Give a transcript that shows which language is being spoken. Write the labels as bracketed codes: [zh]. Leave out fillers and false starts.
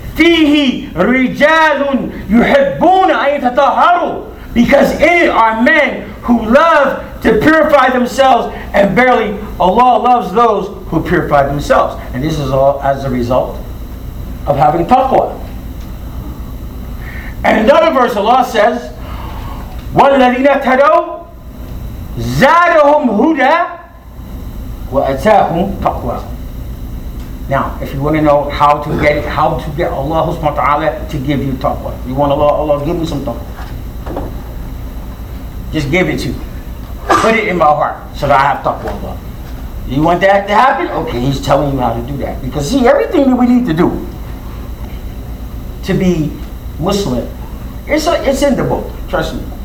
[ar] Fihi rijalun yuhibbuna an yatahharu, [en] because in it are men who love to purify themselves, and verily Allah loves those who purify themselves. And this is all as a result of having taqwa. And another verse Allah says, [ar] وَالَّذِينَ تَدَوْا زَادَهُمْ هُدَى وَأَتَاهُمْ تَقْوَى. [en] Now, if you want to know how to get Allah subhanahu wa ta'ala to give you taqwa, you want Allah give me some taqwa. Just give it to me. Put it in my heart so that I have taqwa, Allah. You want that to happen? Okay, he's telling you how to do that. Because see, everything that we need to do to be Muslim, it's in the book, trust me.